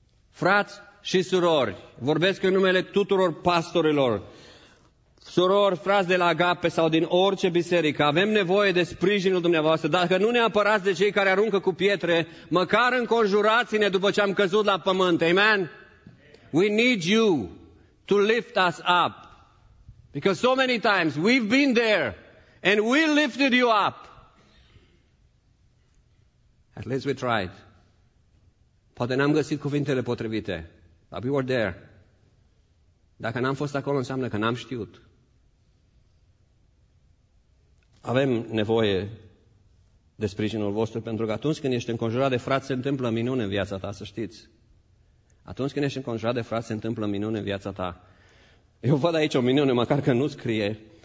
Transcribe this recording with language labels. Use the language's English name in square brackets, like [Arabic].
[Romanian] Frați și surori, vorbesc în numele tuturor pastorilor, surori, frați de la Agape sau din orice biserică, avem nevoie de sprijinul dumneavoastră. Dacă nu ne apărați de cei care aruncă cu pietre, măcar înconjurați-ne după ce am căzut la pământ. [English] Amen? We need you to lift us up. Because so many times we've been there and we lifted you up. At least we tried. [Romanian] Poate n-am găsit cuvintele potrivite, [English] but we were there. [Romanian] Dacă n-am fost acolo, înseamnă că n-am știut. Avem nevoie de sprijinul vostru, pentru că atunci când ești înconjurat de frați, se întâmplă minune în viața ta, să știți. Atunci când ești înconjurat de frați, se întâmplă minune în viața ta. Eu văd aici o minune, măcar că nu scrie.